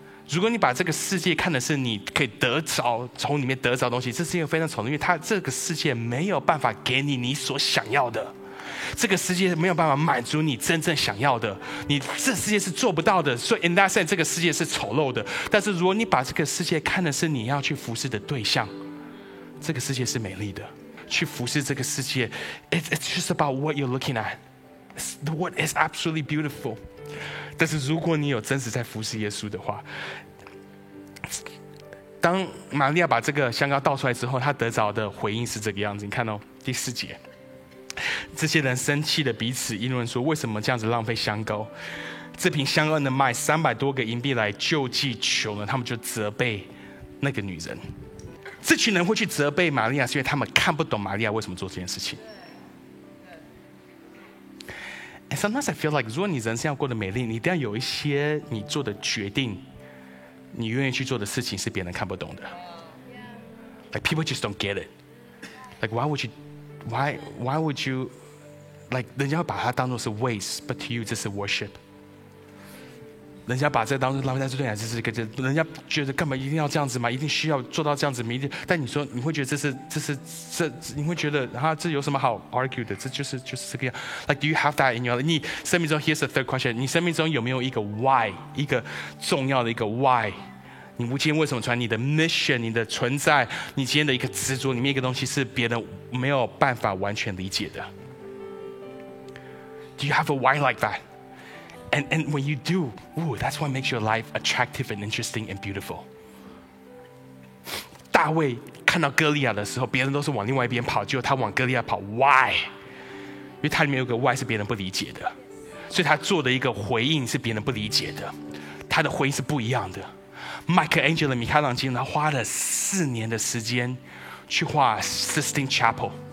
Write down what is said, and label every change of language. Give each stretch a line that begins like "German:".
Chinese: 如果你把这个世界看的是你可以得着，从里面得着东西，这是一个非常丑陋，因为它这个世界没有办法给你你所想要的，这个世界没有办法满足你真正想要的，你这世界是做不到的，所以
English: in that sense
Chinese: 这个世界是丑陋的。但是如果你把这个世界看的是你要去服侍的对象，这个世界是美丽的。去服侍这个世界
English: it's just about what you're looking at, what is absolutely beautiful。
Chinese: 但是如果你有真实在服侍耶稣的话，当玛利亚把这个香膏倒出来之后，她得着的回应是这个样子，你看哦，第四节，这些人生气的彼此议论说，为什么这样子浪费香膏，这瓶香膏能卖300多个银币来救济穷人。他们就责备那个女人，这群人会去责备玛利亚，是因为他们看不懂玛利亚为什么做这件事情。
English: And sometimes I feel like
Chinese: 如果你人生要过得美丽，你一定要有一些你做的决定，你愿意去做的事情是别人看不懂的。
English: Like people just don't get it. Like why would you like
Chinese: 人家把它当作是
English: waste, but to you
Chinese: 这是
English: worship。
Chinese: 人家把这当作浪费，但是对你这是一个，人家觉得干嘛一定要这样子吗？一定需要做到这样子吗？但你说你会觉得这是你会觉得啊，这有什么好 argue 的，这就是这个样。
English: like do you have that in your life?
Chinese: 你生命中
English: here's the third question,
Chinese: 你生命中有没有一个 why, 一个重要的一个 why? 你今天为什么传，你的 mission, 你的存在，你今天的一个执着里面一个东西是别人没有办法完全理解的。
English: Do you have a why like that? And when you do, ooh, that's what makes your life attractive and interesting and beautiful.
Chinese: 大卫看到哥利亚的时候，别人都是往另外一边跑，结果他往哥利亚跑， why? 因为他里面有个 why 是别人不理解的，所以他做的一个回应是别人不理解的，他的回应是不一样的。 Michelangelo 米开朗基罗他花了4年的时间去画 Sistine Chapel。